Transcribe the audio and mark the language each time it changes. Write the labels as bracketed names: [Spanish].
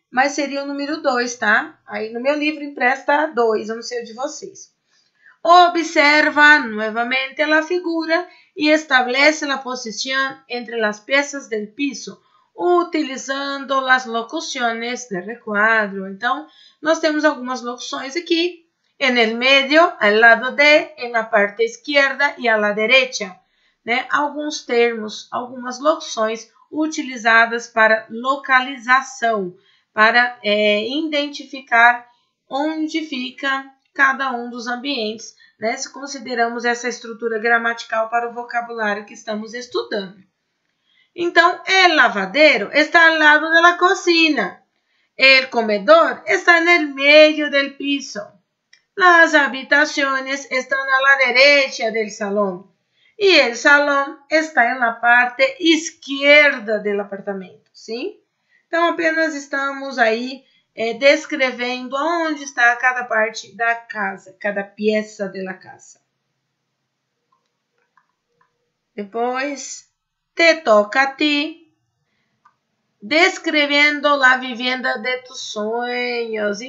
[Portuguese] Mas seria o número 2, tá? Aí no meu livro impresso tá 2, eu não sei o de vocês. Observa novamente a figura e estabelece a posição entre as peças do piso, utilizando as locuções de recuadro. Então, nós temos algumas locuções aqui. [Spanish] En el medio, al lado de, en la parte izquierda y a la derecha, né? [Portuguese] Alguns termos, algumas locuções utilizadas para localização, para identificar onde fica cada um dos ambientes, né? Se consideramos essa estrutura gramatical para o vocabulário que estamos estudando. [Spanish] Então, el lavadero está al lado de la cocina. El comedor está en el medio del piso. Las habitaciones están a la derecha del salón. Y el salón está en la parte izquierda del apartamento, ¿sí? [Portuguese] Então, apenas estamos aí descrevendo onde está cada parte da casa, [Spanish] cada pieza de la casa. [Portuguese] Depois, [Spanish] te toca a ti, [Portuguese] descrevendo a [Spanish] vivienda de tus sueños.